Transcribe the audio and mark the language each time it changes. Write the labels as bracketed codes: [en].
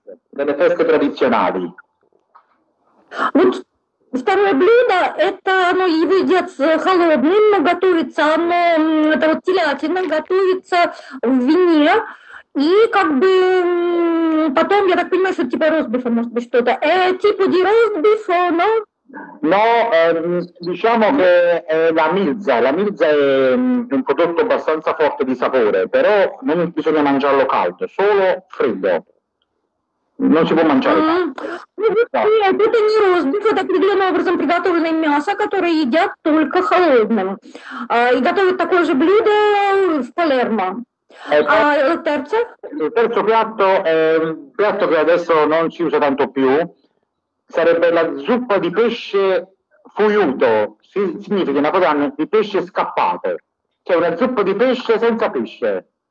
[it] Delle feste tradizionali. [ru] Второе блюдо, это оно едят с холодным, но готовится оно, это вот телятина, готовится в вине, и как бы потом, я так понимаю, что типа ростбифа, может быть, что-то, типа ди ростбифа, но... [it] Но, diciamo che la mirza è un prodotto abbastanza forte di sapore, però non bisogna mangiarlo caldo, solo freddo. Non si può mangiare. [ru] Это не розбив, это определенным образом приготовленное мясо, которое едят только холодным. И готовят такое же блюдо в Палермо. А terzo? [it] Il terzo piatto è un piatto che adesso non si usa tanto più. Sarebbe la zuppa di pesce fuyuto. Significa in napoletano di pesce scappato. Cioè una zuppa di pesce senza pesce.